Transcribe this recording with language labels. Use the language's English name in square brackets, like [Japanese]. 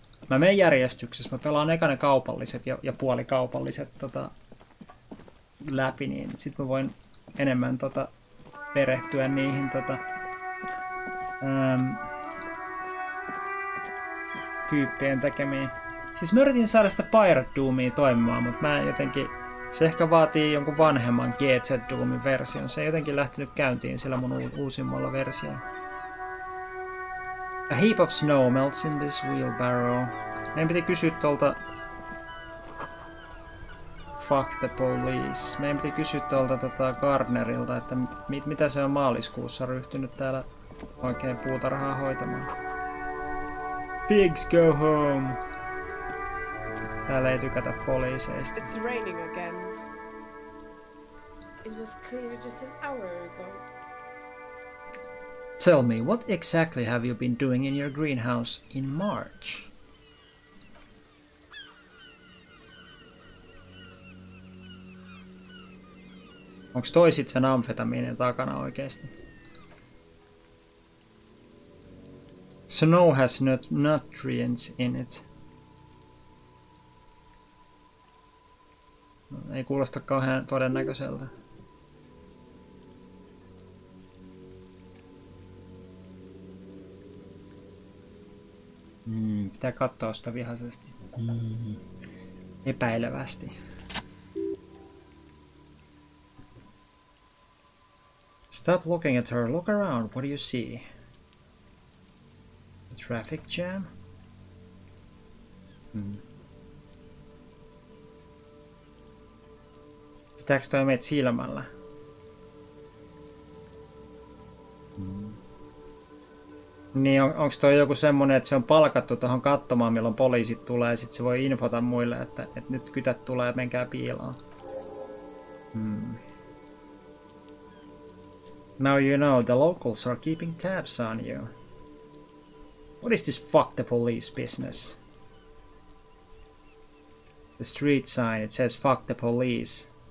[Finnish] Mä menen järjestyksessä. Mä pelaan eka ne kaupalliset ja puolikaupalliset läpi, niin sit mä voin enemmän perehtyä niihin tyyppien tekemiin. Siis mä yritin saada sitä Pirate Doomia toimimaan, mutta mä jotenkin... Se ehkä vaatii jonkun vanhemman GZ Doomin version. Se ei jotenkin lähtenyt käyntiin sillä mun uusimmalla versiolla. [English] A heap of snow melts in this wheelbarrow. [Finnish] Meidän piti kysyä tuolta... [English] Fuck the police. [Finnish] Meidän piti kysyä tuolta Gardnerilta, että mitä se on maaliskuussa ryhtynyt täällä oikein puutarhaa hoitamaan. [English] Pigs go home! [Finnish] Täällä ei tykätä poliiseista. [English] It's raining again. It was clear just an hour ago. Tell me, what exactly have you been doing in your greenhouse in March? [Finnish] Onks toi sit sen amfetamiinin takana oikeesti? [English] Snow has nutrients in it. [Finnish] Ei kuulosta kauhean todennäköiseltä. Pitää katsoa sitä vihaisesti. Epäilevästi. [English] Stop looking at her. Look around. What do you see? A traffic jam? [Finnish] Pitääks toi meet silmällä? Niin onks toi joku semmonen, että se on palkattu tohon kattomaan, milloin poliisit tulee, ja sit se voi infota muille, että nyt kytät tulee, menkää piiloon. [English] Now you know, the locals are keeping tabs on you. What is this fuck the police business? The street sign, it says fuck the police.